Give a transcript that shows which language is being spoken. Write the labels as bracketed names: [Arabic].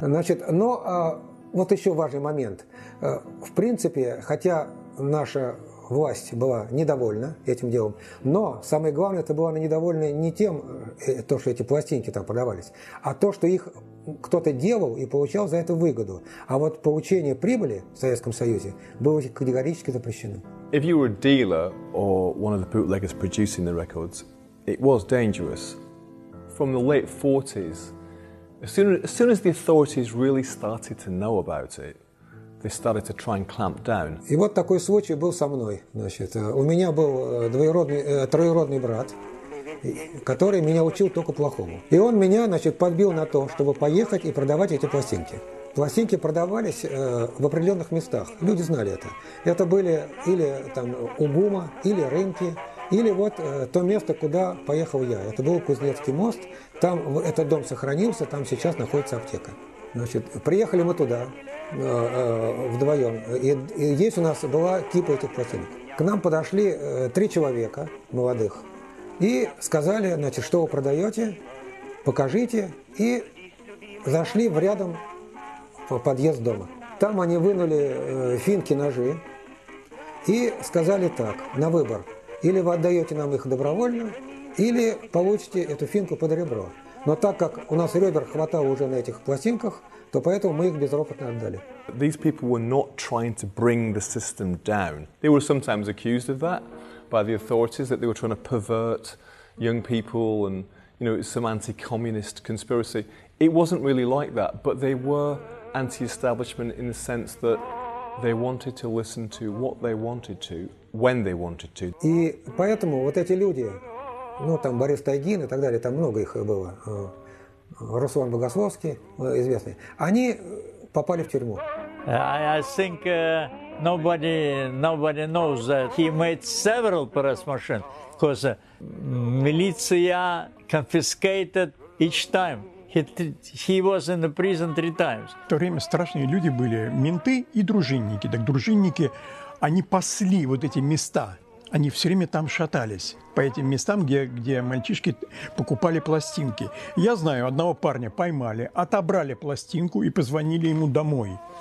[Russian] Значит, но вот еще важный момент. В принципе, хотя наша власть была недовольна этим делом, но самое главное, это была она недовольна не тем, то, что эти пластинки там продавались, а то, что их кто-то делал и получал за это выгоду. А вот получение прибыли в Советском Союзе было категорически запрещено. [English] If you were a dealer or one of the bootleggers producing the records, it was dangerous. From the late 40s, as soon as the authorities really started to know about it, they started to try and clamp down. [Russian] И вот такой случай был со мной. Значит, у меня был троюродный брат, который меня учил только плохому. И он меня, значит, подбил на то, чтобы поехать и продавать эти пластинки. Пластинки продавались в определенных местах. Люди знали это. Это были или там Угума, или рынки, или вот то место, куда поехал я. Это был Кузнецкий мост. Там этот дом сохранился, там сейчас находится аптека. Значит, приехали мы туда вдвоем. И здесь у нас была кипа этих пластинок. К нам подошли три человека молодых. И сказали, значит, что вы продаете, покажите. И зашли в рядом подъезд дома. Там они вынули финки-ножи и сказали так, на выбор. Или вы отдаете нам их добровольно, или получите эту финку под ребро. Но так как у нас ребер хватало уже на этих пластинках, то поэтому мы их безропотно отдали. [English] These people were not trying to bring the system down. They were sometimes accused of that by the authorities, that they were trying to pervert young people and, you know, some anti-communist conspiracy. It wasn't really like that, but they were anti-establishment in the sense that they wanted to listen to what they wanted to, when they wanted to. [Russian] И поэтому вот эти люди, ну там Борис Тайгин и так далее, там много их было, Руслан Богословский, известный, они попали в тюрьму. [English] I think nobody knows that he made several press machines, because милиция confiscated each time. He was in the prison three times. [Russian] В то время страшные люди были менты и дружинники. Так дружинники, они пасли вот эти места. Они все время там шатались, по этим местам, где мальчишки покупали пластинки. Я знаю, одного парня поймали, отобрали пластинку и позвонили ему домой.